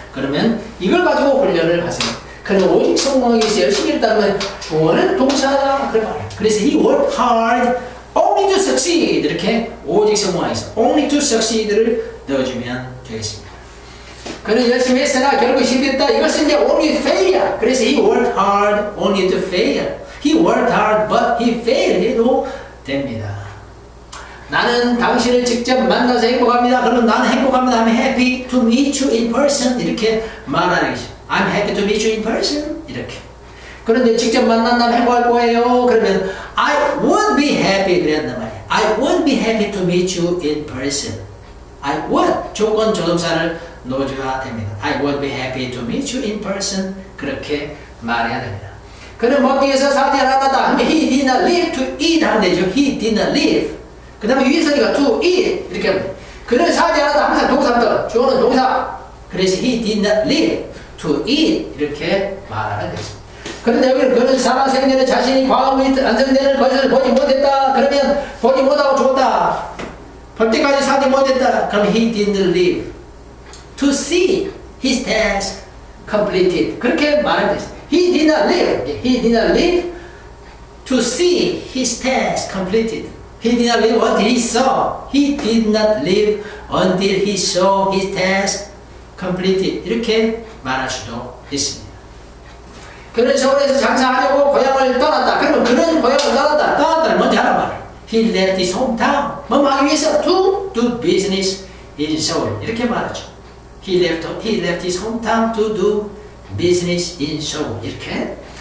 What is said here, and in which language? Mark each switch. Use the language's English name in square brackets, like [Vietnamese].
[Korean] 그러면 이걸 가지고 훈련을 하세요. 그는 오직 성공하기 위해서 열심히 일단은 주어는 동사다. 그래서 [English] he worked hard only to succeed. [Korean] 이렇게 오직 성공하기 위해서 [English] only to succeed를 [Korean] 넣어주면 되겠습니다. 그는 열심히 했으나 결국 실패했다. 이것은 이제 [English] only failure. [Korean] 그래서 [English] he worked hard only to fail. He worked hard but he failed [Korean] 해도 됩니다. 나는 당신을 직접 만나서 행복합니다. 그러면 나는 행복합니다. [English] I'm happy to meet you in person. [Korean] 이렇게 말하겠죠. [English] I'm happy to meet you in person. [Korean] 이렇게. 그런데 직접 만난다면 행복할 거예요. 그러면 [English] I would be happy. [Korean] 그랬단 말이야. [English] I would be happy to meet you in person. I would. [Korean] 조건 조동사를 넣어줘야 됩니다. [English] I would be happy to meet you in person. [Korean] 그렇게 말해야 됩니다. 그는 먹기 위해서 사지 않았다. [English] He did not live to eat. [Korean] 하면 되죠. [English] He did not live. [Korean] 그 다음에 위에서니까 [English] to eat. [Korean] 이렇게 하면 돼. 그는 사지 않았다. 항상 동사부터. 주어는 동사. 그래서 [English] he did not live. to eat [Korean] 이렇게 말하게 됐습니다. 그런데 여기는 그는 살아생전에 자신이 과거의 안정되는 것을 보지 못했다. 그러면 보지 못하고 죽었다. 볼 때까지 살지 못했다. 그럼 [English] he didn't live to see his task completed. [Korean] 그렇게 말하게 됐습니다. [English] He did not live. He did not live to see his task completed. He did not live until he saw. He did not live until he saw his task completed. [Korean] 이렇게 말할 수도 있습니다. 그는 서울에서 장사하려고 고향을 떠났다. 그러면 그는 고향을 떠났다. 떠났다는 뭔지 알아봐라. [English] He left his hometown. [Korean] 뭐 하기 위해서? [English] To do business in Seoul. [Korean] 이렇게 말하죠. [English] He left his hometown to do business in Seoul. [Korean] 이렇게.